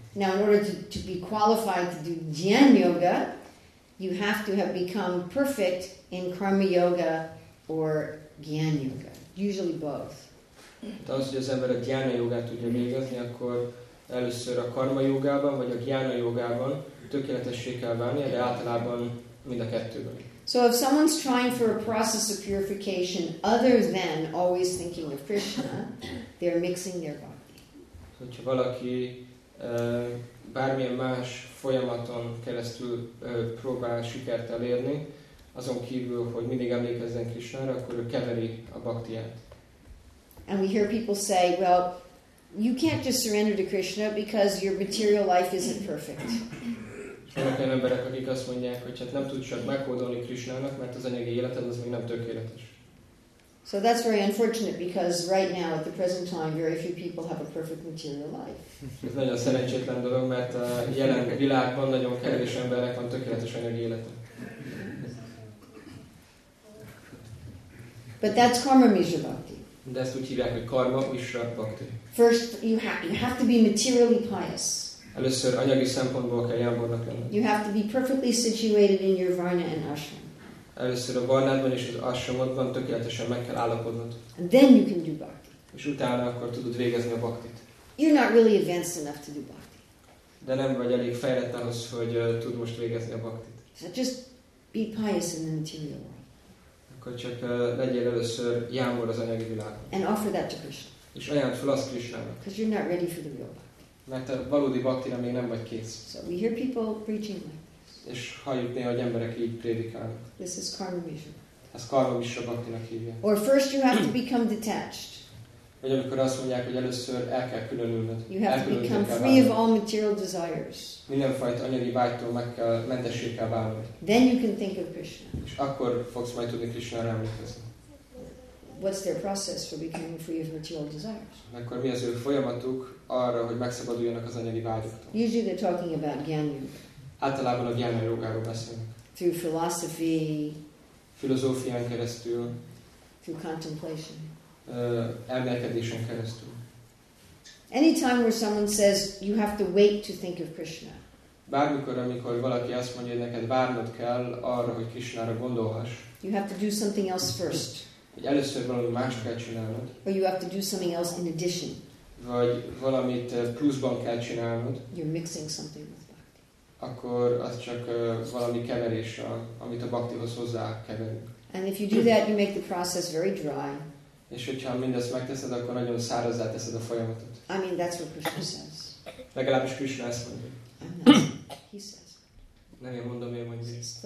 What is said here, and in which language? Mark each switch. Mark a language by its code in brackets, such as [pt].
[en] Now in order to be qualified to do Dhyan Yoga, you have to have become perfect in Karma Yoga or Gyan Yoga, usually both. [hu] De az, hogy az ember a Gyan Yogát tudja végezni, akkor először a Karma Yogában vagy a Gyan Yogában tökéletessé kell válni, de általában mind a kettőben. [en] So if someone's trying for a process of purification other than always thinking of Krishna, they're mixing their bhakti. [hu] Hogyha valaki bármilyen más folyamaton keresztül próbál sikert elérni, azon kívül, hogy mindig emlékezzen Krisnára, akkor ő keveri a baktiát. [en] And we hear people say, well, you can't just surrender to Krishna because your material life isn't perfect. [hu] Vannak olyan emberek, akik azt mondják, hogy hát nem tudsz csak meghódolni Krisnának, mert az anyagi életed az még nem tökéletes. [en] So that's very unfortunate because right now at the present time very few people have a perfect material life. [hu] Ez nagyon szerencsétlen dolog, mert a jelen világban nagyon kevés embernek van tökéletes anyagi élete. [en] But that's karma misra bhakti. [hu] De ezt úgy hívják, hogy karma misra bhakti. [en] First you have to be materially pious. [hu] Először anyagi szempontból kell jámbornak lenni. [en] You have to be perfectly situated in your varna and ashram. [hu] Először a varnádban és az ashramodban tökéletesen meg kell állapodnod. [en] And then you can do bhakti. [hu] És utána akkor tudod végezni a bhaktit. [en] You're not really advanced enough to do bhakti. [hu] De nem vagy elég fejlett ahhoz, hogy tud most végezni a bhaktit. [en] So just be pious in the material world. [hu] Akkor csak legyél először jámbor az anyagi világban. [en] And offer that to Krishna. [hu] És ajánld fel azt Krishnának. [en] Because you're not ready for the real bhakti. [hu] Mert a valódi bhaktira még nem vagy kész. [en] So we hear people preaching like [hu] és halljuk néha, hogy emberek így prédikálnak. [en] This is karma misra. [hu] Ez karma misra bhaktinak hívják. [en] Or first you have to become detached. [hu] Vagy amikor azt mondják, hogy először el kell különülnöd. [en] You have to become free of all material desires. [hu] Mindenfajta anyagi vágytól meg kell, mentessé kell válnod. [en] Then you can think of Krishna. [hu] És akkor fogsz majd tudni Krishnára emlékezni. [en] What's their process for becoming free of material desires? [hu] Akkor mi az ő folyamatuk arra, hogy megszabaduljanak az anyagi vágyoktól? [en] Usually they're talking about Gyan Yoga. [hu] Általában a Gyan Yogáról beszélünk. [en] Through philosophy. [hu] Filozófián keresztül. [en] Through contemplation. [hu] Elmélkedésen keresztül. [en] Anytime where someone says you have to wait to think of Krishna. [hu] Bármikor, amikor valaki azt mondja, hogy neked várnod kell arra, hogy Krishnára gondolhass. [en] You have to do something else first. [hu] Hogy először valami mást kell csinálnod. [en] Or you have to do something else in addition. [hu] Vagy valamit pluszban kell csinálnod. [en] You're mixing something with. [hu] Akkor az csak valami keverés, amit a bhaktihoz hozzá keverünk. [en] And if you do that, you make the process very dry. [hu] És hogyha mindezt megteszed, akkor nagyon szárazzá teszed a folyamatot. [en] I mean, that's what Krishna says. [hu] Legalábbis Krishna ezt mondja. [en] I'm not. He says. [hu] Nem én mondom, én mondjuk.